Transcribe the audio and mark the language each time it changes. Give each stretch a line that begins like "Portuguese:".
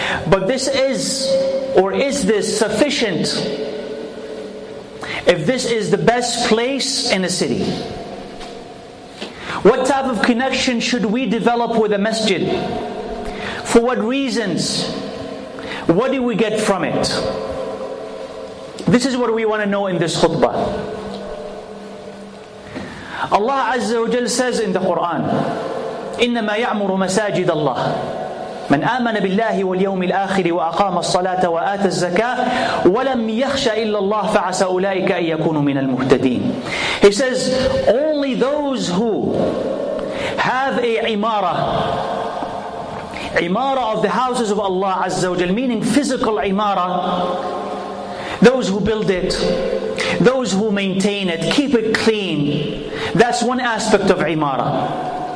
English: But this is, or is this sufficient if this is the best place in a city? What type of connection should we develop with a masjid? For what reasons? What do we get from it? This is what we want to know in this khutbah. Allah Azza wa Jal says in the Quran,
Arabic: إِنَّمَا يَعْمُرُ مَسَاجِدَ اللَّهِ مَنْ آمَنَ بِاللَّهِ وَالْيَوْمِ الْآخِرِ وَأَقَامَ الصَّلَاةَ وَآتَ الزَّكَاةَ وَلَمْ يَخْشَ إِلَّا اللَّهِ فَعَسَ أُولَٰئِكَ أَنْ يَكُونُ مِنَ الْمُهْتَدِينَ.
English: He says, only those who have a imarah, imara of the houses of Allah Azza wa Jal, meaning physical imara, those who build it, those who maintain it, keep it clean, that's one aspect of imara.